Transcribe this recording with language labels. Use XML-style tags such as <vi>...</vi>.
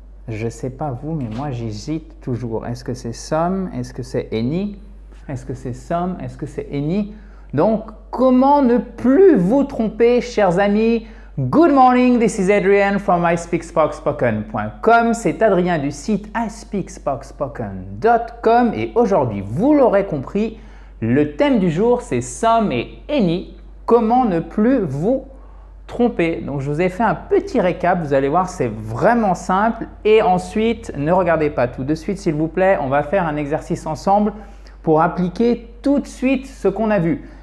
<fr>Je ne sais pas vous, mais moi j'hésite toujours. Est-ce que c'est somme? Est-ce que c'est énie? Est-ce que c'est somme? Est-ce que c'est énie? Donc, comment ne plus vous tromper, chers amis?</fr> <en>Good morning, this is Adrian from iSpeakSpokespoken.com.</en> <fr>C'est Adrien du site iSpeakSpokespoken.com et aujourd'hui, vous l'aurez compris, le thème du jour c'est somme et énie. Comment ne plus vous tromper. Donc, je vous ai fait un petit récap, vous allez voir, c'est vraiment simple. Et ensuite, ne regardez pas tout de suite, s'il vous plaît, on va faire un exercice ensemble pour appliquer tout de suite ce qu'on a vu.</fr>